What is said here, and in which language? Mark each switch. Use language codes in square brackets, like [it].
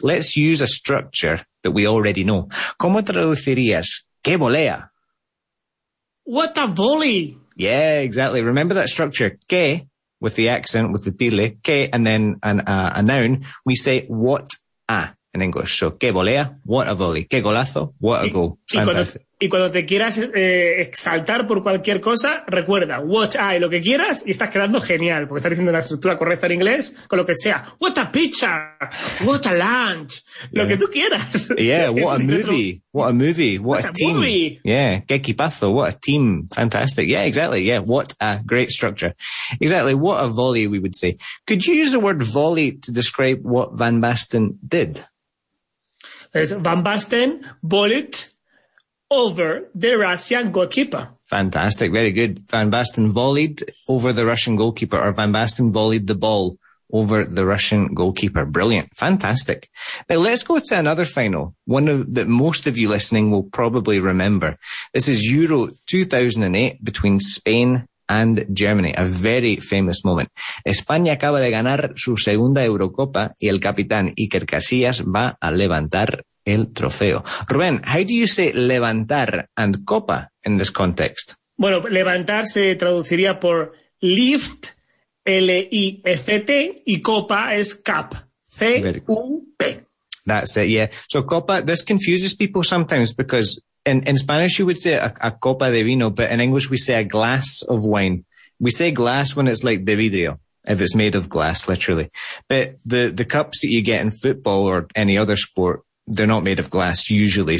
[en] Let's use a structure that we already know. [es] ¿Cómo traducirías qué volea? [en] What a volley! Yeah, exactly. Remember that structure, qué, with the accent, with the tilde, qué, and then a noun. We say what a in English. So, [es] qué volea, [en] what a volley, [es] qué golazo, [en] what a goal. Fantastic. [es] Y cuando te quieras exaltar por cualquier cosa, recuerda, [en] watch eye, [es] lo que quieras, y estás quedando genial, porque estás diciendo la estructura correcta en inglés, con lo que sea. [en] What a picture, what a lunch, [es] lo que tú quieras. [en] Yeah, what a movie, what a movie, what a team. Yeah, [es] qué equipazo, [en] what a team, fantastic. Yeah, exactly, yeah, what a great structure. Exactly, what a volley, we would say. Could you use the word volley to describe what Van Basten did? Van Basten, bullet over the Russian goalkeeper. Fantastic, very good. Van Basten volleyed over the Russian goalkeeper, or Van Basten volleyed the ball over the Russian goalkeeper. Brilliant, fantastic. Now let's go to another final, one that most of you listening will probably remember. This is Euro 2008 between Spain and Germany, a very famous moment. [es] España acaba de ganar su segunda Eurocopa y el capitán Iker Casillas va a levantar el trofeo. [en] Rubén, how do you say levantar and copa in this context? [es] Bueno, levantar se traduciría por lift, L-I-F-T, y copa es cup, C-U-P. [en] That's it, yeah. So copa, this confuses people sometimes because in Spanish you would say a [es] copa de vino, [en] but in English we say a glass of wine. We say glass when it's like [es] de vidrio, [en] if it's made of glass, literally. But the cups that you get in football or any other sport, they're not made of glass usually.